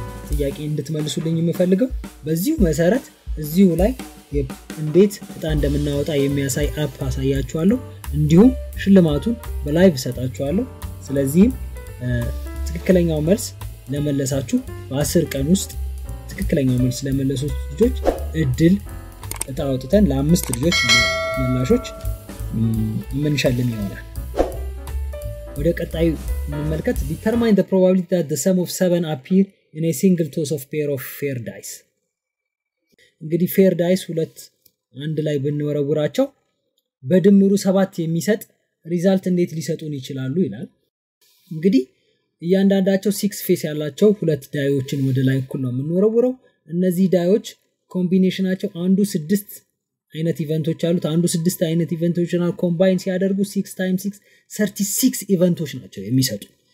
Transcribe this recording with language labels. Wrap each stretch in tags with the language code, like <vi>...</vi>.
<am>ጥያቄ እንድትመልሱልኝ የምፈልገው በዚሁ መሰረት እዚሁ ላይ እንዴት እጣ እንደምናወጣ የሚያሳይ አፕ አሳያችኋለሁ እንዲሁም ሽልማቱን በላይቭ ሰጣችኋለሁ ስለዚህ ትክክለኛው መልስ ለመለሳችሁ በ10 ቀን ውስጥ ትክክለኛው መልስ ለመለሱት ልጆች እድል እጣውጥተን ለአምስት ልጆች መላሾች ምንሻለን ይሆናል ወደ ቀጣይ መልከት</am> <en>determine the probability that the sum of 7 appear in a single toss of pair of fair dice.</en> <am>እንግዲህ fair dice ሁለት አንድ ላይ ብንወረውራቸው በድምሩ 7 የሚሰጥ ሪዛልት እንዴት ሊሰጡን ይችላሉ ይላል። እንግዲህ እያንዳንዳቸው 6 ፌስ ያላቸው ሁለት ዳዮችን ወደ ላይ እኩል ነው ምንወረውረው። እነዚህ ዳዮች ኮምቢኔሽናቸው አንዱ 6 አይነት ኢቨንቶች አሉት። አንዱ 6 አይነት ኢቨንቶችን አል ኮምባይን ሲያደርጉ 6 ታይምስ 6 36 ኢቨንቶች ናቸው የሚሰጡ።</am>